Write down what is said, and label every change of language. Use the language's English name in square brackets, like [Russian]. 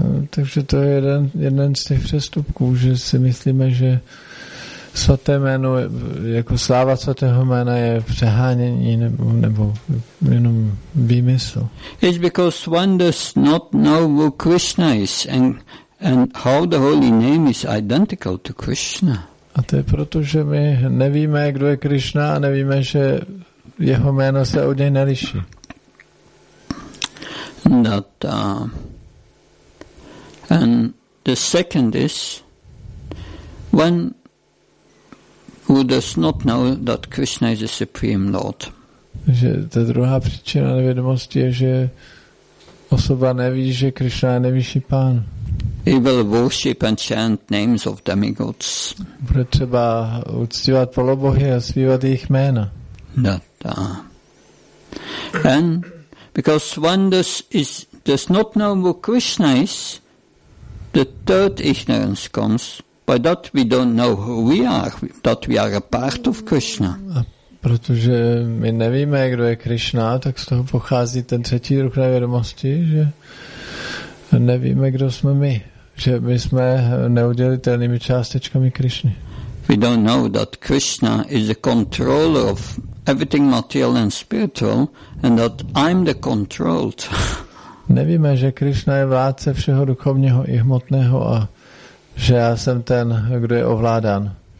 [Czech] Takže to je jeden z těch přestupků, že si myslíme, že svaté jméno, jako sláva svatého jména je přehánění nebo jenom výmysl. [English] It's because one does not know who Krishna is and how the holy name is identical to Krishna. [Czech] A to je proto, že my nevíme, kdo je Krishna a nevíme, že jeho jméno se od něj neliší. [English] That, and the second is when who does not know that Krishna is the Supreme Lord. [Czech] Že ta druhá příčina nevědomosti je, že osoba neví, že Krishna je nejvyšší pán. [English] He will worship and chant names of demigods. [Czech] Bude třeba uctívat polobohy a zpívat jejich jména. [English] That, and because one does not know who Krishna is, the third ignorance comes. By that we don't know who we are, that we are a part of Krishna. [Czech] A protože my nevíme, kdo je Krishna, tak z toho pochází ten třetí druh nevědomosti, že nevíme, kdo jsme my, že my jsme neoddělitelnými částečkami Krishny. [English] We don't know that Krishna is the controller of everything material and spiritual and that I'm the controlled. [Czech] Nevíme, že Krishna je vládce všeho duchovního i hmotného a že já jsem ten, kdo je ovládán.